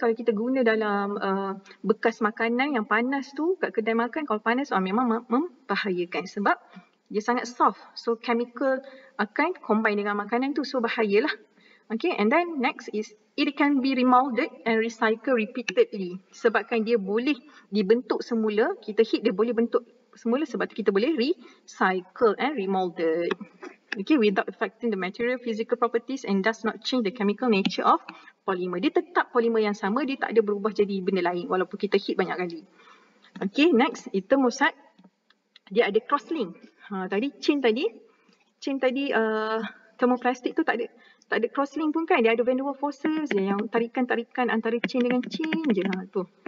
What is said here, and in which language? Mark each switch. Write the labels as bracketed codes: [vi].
[ms] Kalau kita guna dalam bekas makanan yang panas tu. Kat kedai makan, kalau panas, memang membahayakan. Sebab dia sangat soft. So, chemical akan combine dengan makanan tu. So, bahayalah. Okay. [en] And then, next is it can be remolded and recycled repeatedly. [ms] Sebabkan dia boleh dibentuk semula. Kita heat, dia boleh bentuk semula. Sebab tu kita boleh recycle and remolded. Okay. [en] Without affecting the material physical properties and does not change the chemical nature of polymer. [ms] Dia tetap polymer yang sama. Dia tak ada berubah jadi benda lain. Walaupun kita heat banyak kali. Okay. Next, itu musat. Dia ada cross-link. Chain tadi, thermoplastic tu tak ada crosslink pun kan. Dia ada van der Waals forces je yang tarikan-tarikan antara chain dengan chain je lah tu.